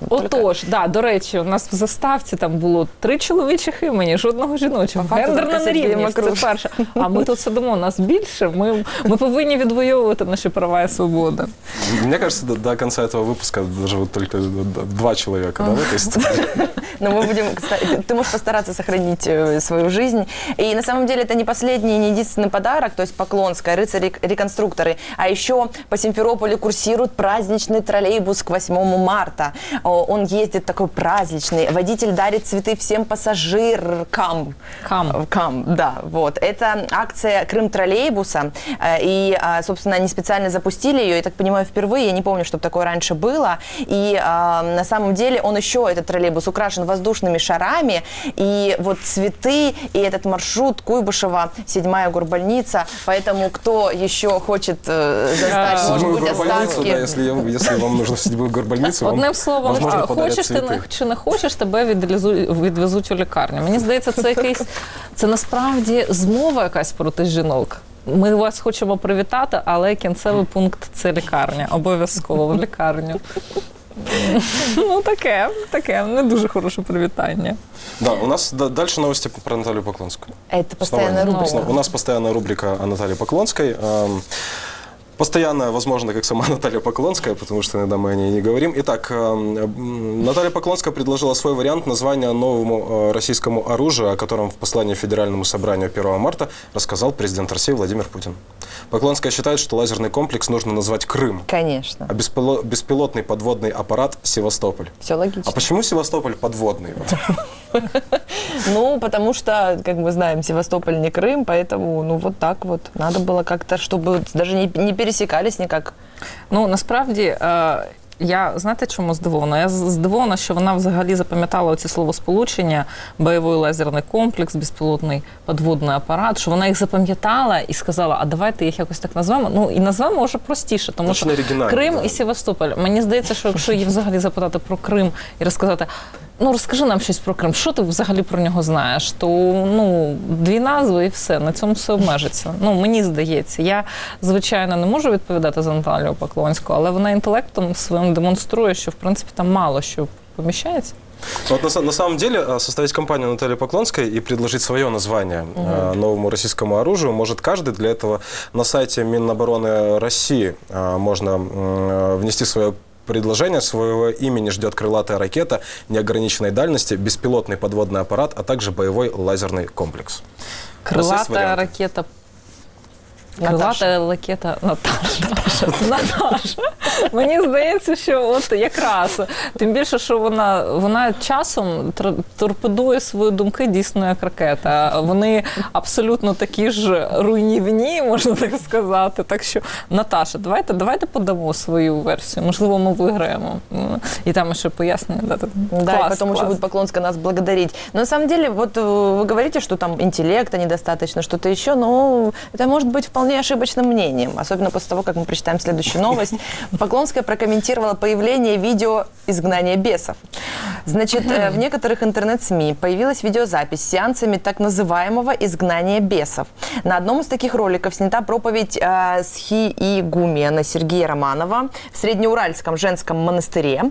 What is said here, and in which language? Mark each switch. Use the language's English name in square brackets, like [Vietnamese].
[Ukrainian] Отож, да, до речі, у нас в заставці там було три чоловічих імені, жодного жіночого. Гендерна нерівність, це перше. А ми тут сидимо, нас більше, ми повинні відвоювати наші права і свободи. [Russian] Мені кажется, до конца этого выпуска доживут только два человека, да, в этой истории. Но мы будем, кстати, ты можешь постараться сохранить свою жизнь. И на самом деле это не последний, не единственный подарок, то есть Поклонская, рыцари-реконструкторы. А еще по Симферополю курсирует праздничный троллейбус к 8 марта. Он ездит такой праздничный. Водитель дарит цветы всем пассажиркам. Кам, да. Вот. Это акция Крым-троллейбуса. И, собственно, они специально запустили ее, я так понимаю, впервые. Я не помню, чтобы такое раньше было. И на самом деле он еще, этот троллейбус, украшен воздушными шарами, и вот цветы, и этот маршрут Куйбышева, 7-я горбольница, поэтому кто еще хочет застать, может быть, останки. Да, если вам нужно 7-ю горбольницу, одним словом, хочешь цветы. [Ukrainian] Ты чи не хочешь, тебе відвезуть у лікарню. Мені здається, це якийсь, це насправді змова якась проти жінок. Ми вас хочемо привітати, але кінцевий пункт – це лікарня, обов'язково в лікарню. Ну, таке, не дуже хороше привітання. [Russian] Да, у нас дальше новости про Наталью Поклонскую. Это постоянная рубрика. У нас постоянная рубрика о Наталье Поклонской. Постоянная, возможно, как сама Наталья Поклонская, потому что иногда мы о ней не говорим. Итак, Наталья Поклонская предложила свой вариант названия новому российскому оружию, о котором в послании Федеральному собранию 1 марта рассказал президент России Владимир Путин. Поклонская считает, что лазерный комплекс нужно назвать Крым. Конечно. А беспилотный подводный аппарат – Севастополь. Все логично. А почему Севастополь подводный? Ну, потому что, как мы знаем, Севастополь не Крым, поэтому, ну, вот так вот. Надо было как-то, чтобы даже не пересекались никак. [Ukrainian] Ну, насправді, я, знаєте, чому здивована? Я здивована, що вона взагалі запам'ятала оці словосполучення «бойовий лазерний комплекс», «безпілотний підводний апарат», що вона їх запам'ятала і сказала, а давайте їх якось так назвемо. Ну, і назвемо вже простіше, тому Точно що Крим, да, і Севастополь. Мені здається, що якщо її взагалі запитати про Крим і розказати, ну, розкажи нам щось про Крим, що ти взагалі про нього знаєш, то, ну, дві назви і все, на цьому все обмежиться. Ну, мені здається, я, звичайно, не можу відповідати за Наталію Поклонську, але вона інтелектом своїм демонструє, що, в принципі, там мало що поміщається. [Russian] Вот на самом деле составить компанию Натальи Поклонской и предложить свое название новому российскому оружию может каждый. Для этого на сайте Минобороны России можно внести свое предложение. Своего имени ждет крылатая ракета неограниченной дальности, беспилотный подводный аппарат, а также боевой лазерный комплекс. Крылатая ракета. [Ukrainian] Крилата лакета Наташа. Мені здається, що от якраз. Тим більше, що вона часом торпедує свої думки дійсно як ракета. Вони абсолютно такі ж руйнівні, можна так сказати. Так що, Наташа, давайте подамо свою версію. Можливо, ми виграємо. І там ще пояснення дати. Да, клас, і потім ще буде Поклонська нас благодарити. [Russian] Но, на самом деле, [Ukrainian] от ви говорите, що там інтелекта недостатньо, що-то ще, ну, це може бути вполне [Russian] вполне ошибочным мнением. Особенно после того, как мы прочитаем следующую новость. Поклонская прокомментировала появление видео изгнания бесов. Значит, в некоторых интернет-СМИ появилась видеозапись с сеансами так называемого изгнания бесов. На одном из таких роликов снята проповедь схиигумена Сергея Романова в Среднеуральском женском монастыре.